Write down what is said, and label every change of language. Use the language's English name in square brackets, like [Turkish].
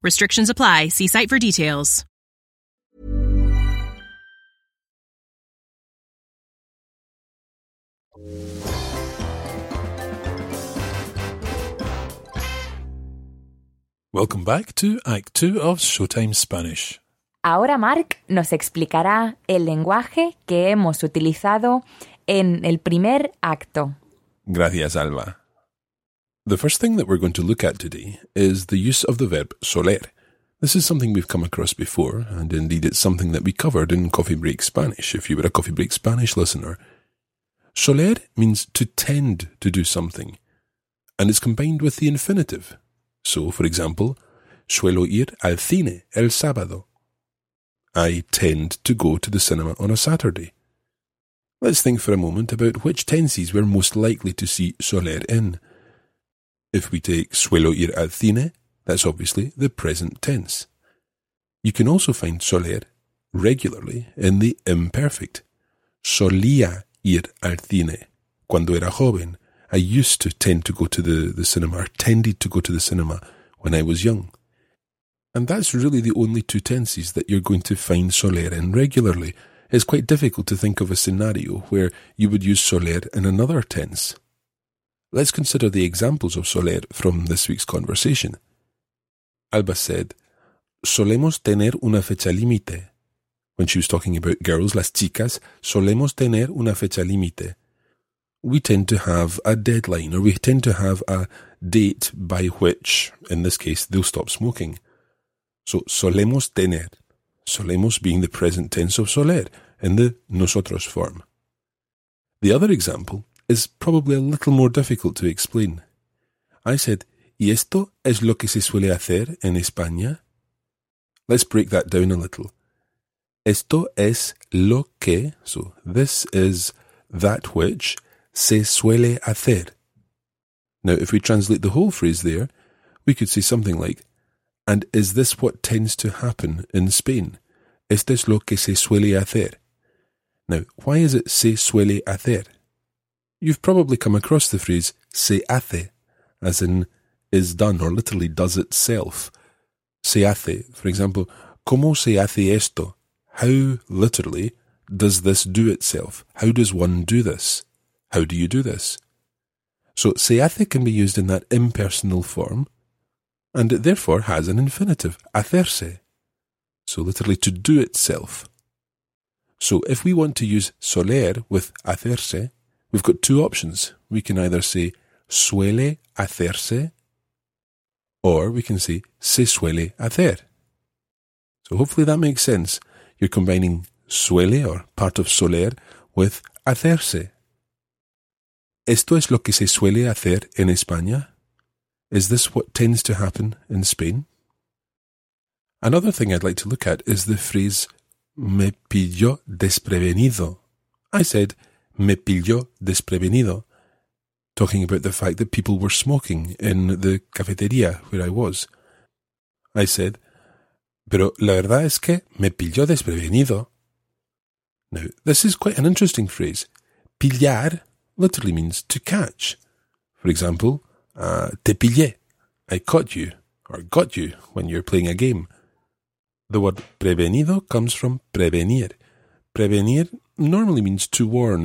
[English] Restrictions apply. See site for details. Welcome back to Act 2 of Showtime Spanish. [Spanish] Ahora Mark nos explicará el lenguaje que hemos utilizado en el primer acto. Gracias, Alba. [English] The first thing that we're going to look at today is the use of the verb soler. This is something we've come across before, and indeed it's something that we covered in Coffee Break Spanish, if you were a Coffee Break Spanish listener. Soler means to tend to do something, and it's combined with the infinitive. So, for example, [Spanish] suelo ir al cine el sábado. [English] I tend to go to the cinema on a Saturday. Let's think for a moment about which tenses we're most likely to see soler in. If we take [Spanish] suelo ir al cine, [English] that's obviously the present tense. You can also find soler regularly in the imperfect. [Spanish] Solía ir al cine cuando era joven. [English] I used to tend to go to the cinema, or tended to go to the cinema when I was young. And that's really the only two tenses that you're going to find soler in regularly. It's quite difficult to think of a scenario where you would use soler in another tense. Let's consider the examples of soler from this week's conversation. Alba said, [Spanish] solemos tener una fecha límite. [English] When she was talking about girls, [Spanish] las chicas, solemos tener una fecha límite. [English] We tend to have a deadline, or we tend to have a date by which, in this case, they'll stop smoking. So, [Spanish] solemos tener. [English] Solemos being the present tense of soler, in the nosotros form. The other example is probably a little more difficult to explain. I said, [Spanish] ¿Y esto es lo que se suele hacer en España? [English] Let's break that down a little. [Spanish] Esto es lo que, [English] so this is that which, [Spanish] se suele hacer. [English] Now, if we translate the whole phrase there, we could say something like, And is this what tends to happen in Spain? [Spanish] Esto es lo que se suele hacer. [English] Now, why is it [Spanish] se suele hacer? [English] You've probably come across the phrase [Spanish] se hace, [English] as in is done, or literally does itself. [Spanish] Se hace, [English] for example, [Spanish] ¿Cómo se hace esto? [English] How, literally, does this do itself? How does one do this? How do you do this? So, [Spanish] se hace [English] can be used in that impersonal form, and it therefore has an infinitive, hacerse. So, literally, to do itself. So, if we want to use soler with hacerse, we've got two options. We can either say, [Spanish] suele hacerse, [English] or we can say, [Spanish] se suele hacer. [English] So, hopefully that makes sense. You're combining suele, or part of soler, with hacerse. [Spanish] ¿Esto es lo que se suele hacer en España? [English] Is this what tends to happen in Spain? Another thing I'd like to look at is the phrase [Spanish] me pilló desprevenido. [English] I said [Spanish] me pilló desprevenido, [English] talking about the fact that people were smoking in the cafetería where I was. I said, [Spanish] pero la verdad es que me pilló desprevenido. [English] Now, this is quite an interesting phrase. Pillar literally means to catch. For example, [Spanish] te pillé, [English] I caught you, or got you when you're playing a game. The word prevenido comes from prevenir. Prevenir normally means to warn.